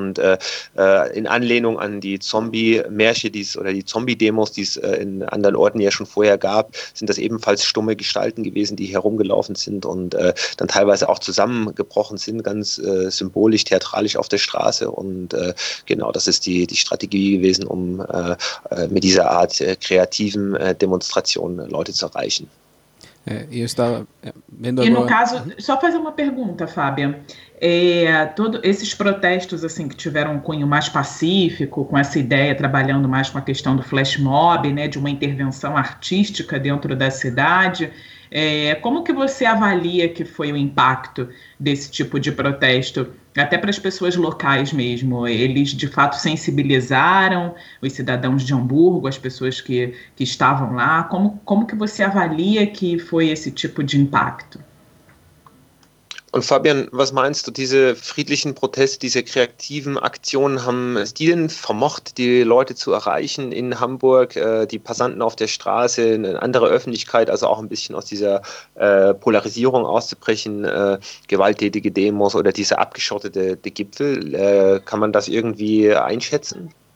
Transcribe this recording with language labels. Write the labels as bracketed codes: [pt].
[de] Und in Anlehnung an die Zombie-Märsche oder die Zombie-Demos, die es in anderen Orten ja schon vorher gab, sind das ebenfalls stumme Gestalten gewesen, die herumgelaufen sind und dann teilweise auch zusammengebrochen sind, ganz symbolisch, theatralisch auf der Straße. Und genau, das ist die Strategie gewesen, um mit dieser Art kreativen Demonstrationen Leute zu erreichen. [pt] Eu estava vendo agora... E no caso, só fazer uma pergunta, Fábio. Todos esses protestos assim, que tiveram um cunho mais pacífico, com essa ideia, trabalhando mais com a questão do flash mob, né, de uma intervenção artística dentro da cidade, como que você avalia que foi o impacto desse tipo de protesto? Até para as pessoas locais mesmo, eles de fato sensibilizaram os cidadãos de Hamburgo, as pessoas que estavam lá. Como que você avalia que foi esse tipo de impacto? [de] Und Fabian, was meinst du, diese friedlichen Proteste, diese kreativen Aktionen, haben es die denn vermocht, die Leute zu erreichen in Hamburg, die Passanten auf der Straße, eine andere Öffentlichkeit, also auch ein bisschen aus dieser Polarisierung auszubrechen, gewalttätige Demos oder diese abgeschottete Gipfel, kann man das irgendwie einschätzen?